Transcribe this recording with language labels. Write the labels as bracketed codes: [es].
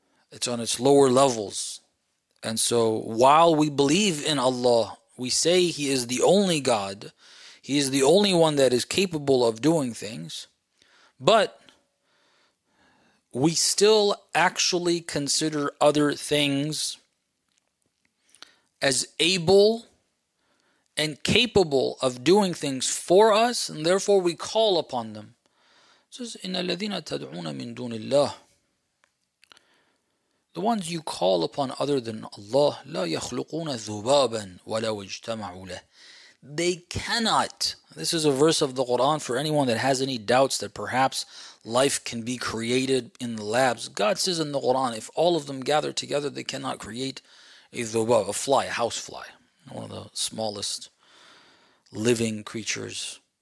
[en] It's on its lower levels. And so while we believe in Allah, we say He is the only God, He is the only one that is capable of doing things, but we still actually consider other things as able and capable of doing things for us, and therefore we call upon them. It says, [ar] إِنَّ الَّذِينَ تَدْعُونَ مِن دُونِ اللَّهِ. [en] The ones you call upon other than Allah, [ar] لا يخلقون ذبابا ولو اجتمعوا له. [en] They cannot. This is a verse of the Quran for anyone that has any doubts that perhaps life can be created in the labs. God says in the Quran, if all of them gather together, they cannot create a ذباب, a fly, a house fly, one of the smallest living creatures.